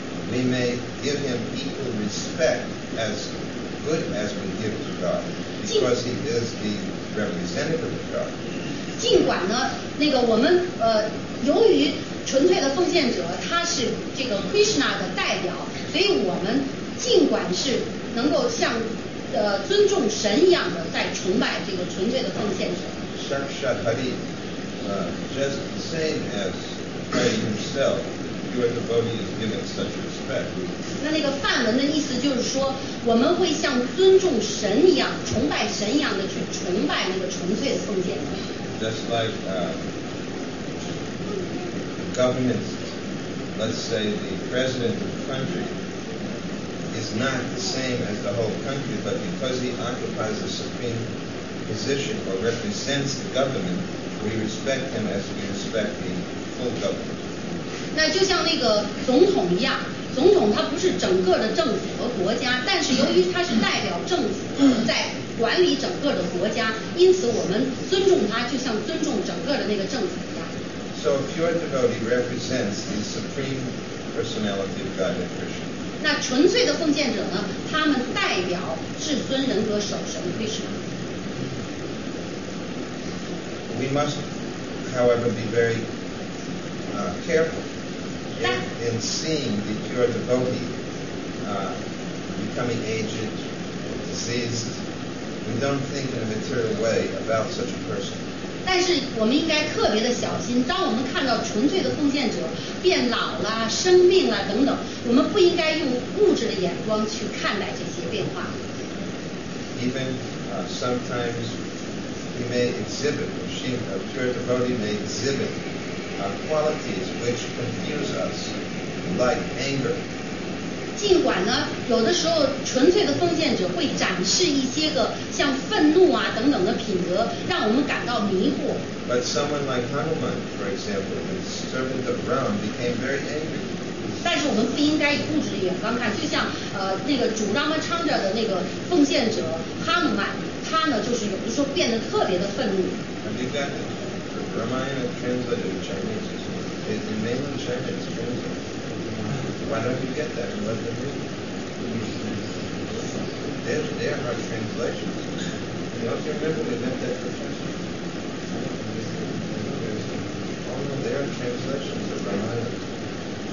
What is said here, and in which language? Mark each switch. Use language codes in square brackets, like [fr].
[en] We may give him equal respect as good as we give to God, because he is the representative of God. [zh] 尽管呢，那个我们由于纯粹的奉献者他是这个 Krishna 的代表，所以我们。尽管是能够像尊重神一样的在崇拜这个纯粹的奉献者。 [en] Sakshat Hari, just the same as Hari himself, pure devotee is given such respect. [zh] 那个梵文的意思就是说，我们会像尊重神一样、崇拜神一样的去崇拜那个纯粹的奉献者。 [en] Just like governments, let's say the president of the country. Is not the same as the whole country, but because he occupies a supreme position or represents the government, we respect him as we respect the full government. [zh] 那就像那个总统一样，总统他不是整个的政府和国家，但是由于他是代表政府在管理整个的国家，因此我们尊重他，就像尊重整个的那个政府一样。 [en] So a pure devotee represents the supreme personality of Godhead Krishna. [zh] 那纯粹的奉献者呢，他们代表至尊人格首神 Krishna。 [en] We must however, be very careful in seeing the pure devotee becoming aged, diseased. We don't think in a material way about such a person. [zh] 但是我们应该特别的小心，当我们看到纯粹的奉献者变老了、生病了等等，我们不应该用物质的眼光去看待这些变化。 [en] Even sometimes he may exhibit, or she, a pure devotee may exhibit qualities which confuse us, like anger. [zh] 尽管呢，有的时候纯粹的奉献者会展示一些个像愤怒啊等等的品格，让我们感到迷惑。 [en] But someone like Hanuman, for example, the servant of Ram, became very angry. [zh] 但是我们不应该以物质的眼光看，就像那个主 Rama Chandra 的那个奉献者 Hanuman, 他呢就是有的时候变得特别的愤怒。 [en] And you got the Ramayana translated in Chinese, it's in mainland Chinese translation. Why don't you get that and let them read? There are translations. You also remember we met that professor. Oh, no, there are translations of Ramayana.